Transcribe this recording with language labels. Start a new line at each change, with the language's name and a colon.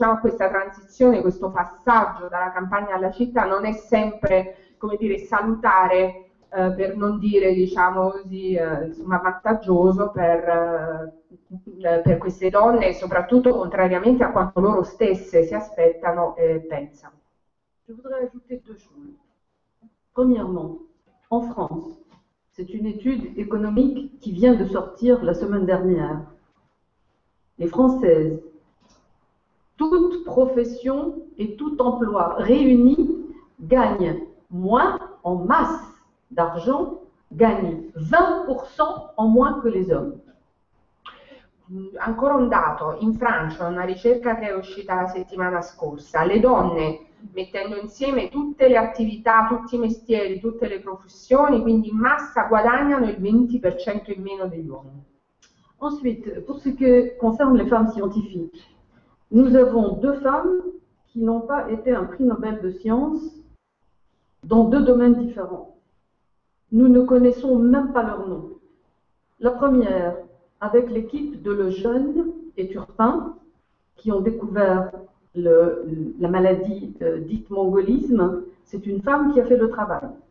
Italian: Diciamo, questa transizione, questo passaggio dalla campagna alla città non è sempre, come dire, salutare, per non dire, diciamo così, insomma, vantaggioso per queste donne, soprattutto contrariamente a quanto loro stesse si aspettano e pensano.
French: Je voudrais ajouter deux choses. Premièrement, en France, c'est une étude économique qui vient de sortir la semaine dernière. Les Françaises, toute profession et tout emploi réunis, gagnent moins en masse d'argent, gagnent 20% en moins que les hommes.
Italian: Ancora un dato, in Francia una ricerca che è uscita la settimana scorsa, le donne mettendo insieme tutte le attività, tutti i mestieri, tutte le professioni, quindi in massa guadagnano il 20% in meno degli uomini.
French: Ensuite, pour ce qui concerne les femmes scientifiques, nous avons deux femmes qui n'ont pas été un prix Nobel de science dans deux domaines différents. Nous ne connaissons même pas leur nom. La première, avec l'équipe de Lejeune et Turpin, qui ont découvert la maladie dite mongolisme, c'est une femme qui a fait le travail.